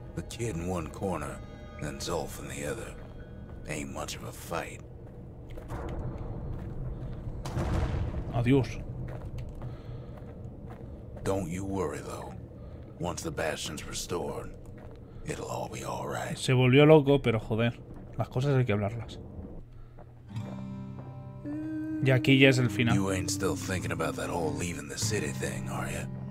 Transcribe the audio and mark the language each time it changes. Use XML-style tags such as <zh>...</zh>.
<en>The kid in one corner, then Zulf in the other. Ain't much of a fight.</en> <es>Adiós.</es> <en>Don't you worry though. Once the bastion's restored, it'll all be all right.</en> <es>Se volvió loco, pero joder, las cosas hay que hablarlas. Y aquí ya es el final.</es> <en>You ain't still thinking about that whole leaving the city thing, are you?</en>